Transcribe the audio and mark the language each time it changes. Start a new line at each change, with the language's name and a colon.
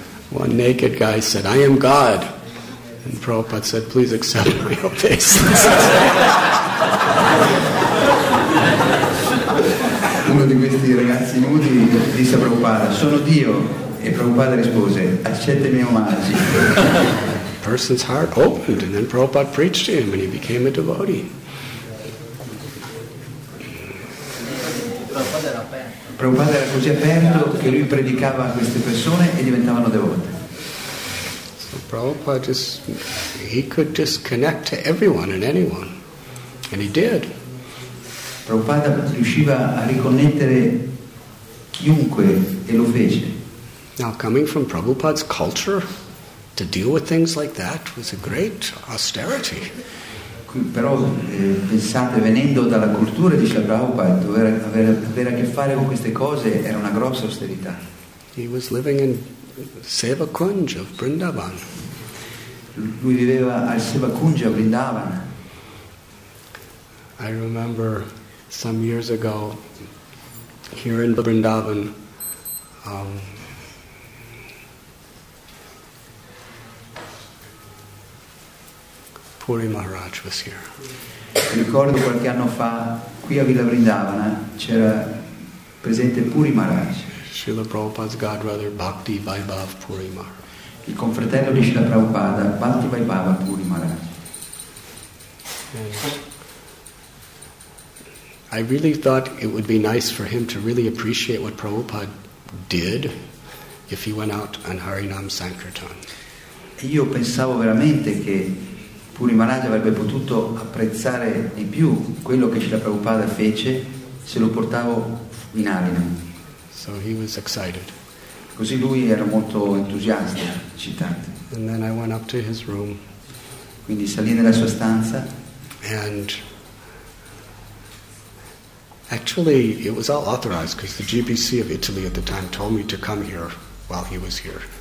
English: One naked guy said, "I am God," and Prabhupada said, "Please accept my obeisances."
Italian: Uno di questi ragazzi nudi disse a Prabhupada, "Sono Dio," e Prabhupada rispose, "Accetta i miei omaggi."
English: Person's heart opened, and then Prabhupada preached to him, and he became a devotee.
Italian: Prabhupada era così aperto che lui predicava a queste persone e diventavano devote.
English: So Prabhupada just—he could just connect to everyone and anyone, and he did.
Italian: Prabhupada riusciva a riconnettere chiunque e lo fece.
English: Now, coming from Prabhupada's culture, to deal with things like that was a great austerity.
Italian: Però pensate, venendo dalla cultura di Prabhupada, dover avere a che fare con queste cose era una grossa austerità.
English: He was living in Seva Kunj of Vrindavan.
Italian: Lui viveva al Seva Kunj a Vrindavan.
English: I remember some years ago here in Vrindavan. Puri Maharaj was here.
Italian: Ricordo qualche anno fa qui a Villa Vrindavana c'era presente Puri Maharaj.
English: Srila Prabhupada's godbrother Bhakti Vaibhav Puri Maharaj.
Italian: Il confratello di Srila Prabhupada Bhakti Vaibhav Puri Maharaj.
English: I really thought it would be nice for him to really appreciate what Prabhupada did if he went out on Harinam Sankirtan.
Italian: Io pensavo veramente che Puri Maharaj avrebbe potuto apprezzare di più quello che Srila Prabhupada fece se lo portavo in Harinam.
English: So he was excited.
Italian: Così lui era molto entusiasta, eccitante.
English: And then I went up to his room.
Italian: Quindi salì nella sua stanza.
English: And Actually, it was all authorized because the GBC of Italy at the time told me to come here while he was here.